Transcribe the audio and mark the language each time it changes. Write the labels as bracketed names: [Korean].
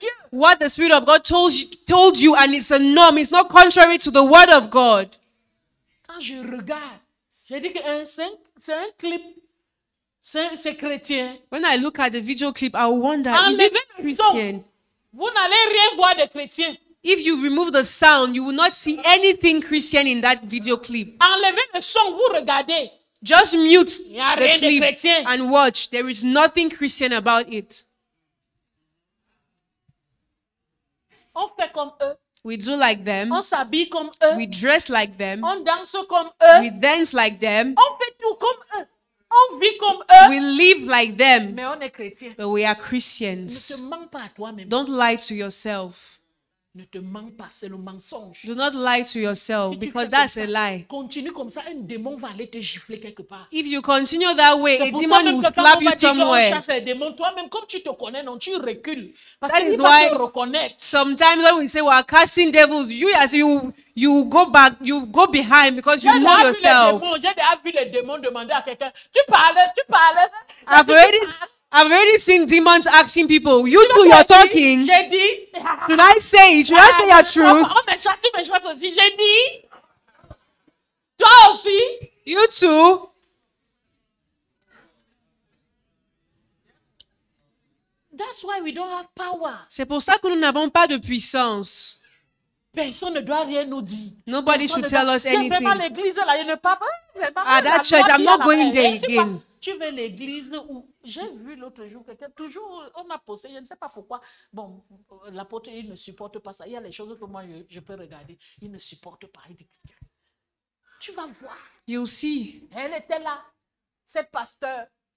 [English] What the Spirit of God told you and it's a norm. It's not contrary to the Word of God. [French] Quand je regarde, j'ai dit que c'est un clip. C'est chrétien. [English] When I look at the video clip, I wonder, is it Christian? [French] Vous n'allez rien voir de chrétien. [English] If you remove the sound, you will not see anything Christian in that video clip. [French] Enlevez le son, vous regardez. [English] Just mute the clip [French] chrétien. [English] And watch. There is nothing Christian about it. [French] On fait comme eux. [English] We do like them. [French] On s'habille comme eux. [English] We dress like them. [French] On danse comme eux. [English] We dance like them. [French] On fait tout comme eux. On vit comme eux. [English] We live like them. [French] Mais on est chrétien. [English] But we are Christians. [French] Ne te mens pas à toi-même. [English] Don't lie to yourself. [French] Ne te mens pas, c'est le mensonge. [English] Do not lie to yourself, [French] si [English] because that's [French] ça, [English] a lie. [French] Continue comme ça, un démon va aller te gifler quelque part. [English] If you continue that way, [French] c'est [English] a demon will slap you somewhere. [French] C'est pour ça que quand on va dire qu'on chasse un démon, toi-même, comme tu te connais, non, tu recules. Parce qu'il va te reconnaître. [English] Sometimes when we say we are casting devils, you go back, you go behind because you know yourself. [French] J'ai déjà vu les démons demander à quelqu'un, tu parles. [English] I've already seen demons asking people, you two, you're talking. [French] J'ai dit. [English] Should I say it? Should I say your truth? [French] Oh, mais chasse, mais chasse aussi. J'ai dit. Toi aussi. [English] You two. That's why we don't have power. [French] C'est pour ça que nous n'avons pas de puissance. Personne ne doit rien nous dire. [English] Nobody [French] personne [English] should tell us anything. [French] Vraiment l'église là, il ne parle pas. [English] At that church, I'm not going there again. [French] Tu veux l'église où j'ai vu l'autre jour quelqu'un, toujours on m'a posé, je ne sais pas pourquoi. Bon, l'apôtre, il ne supporte pas ça. Il y a les choses que moi, je peux regarder. Il ne supporte pas. Il dit, tu vas voir. [English] You see. [French] Elle était là. Cette pasteur.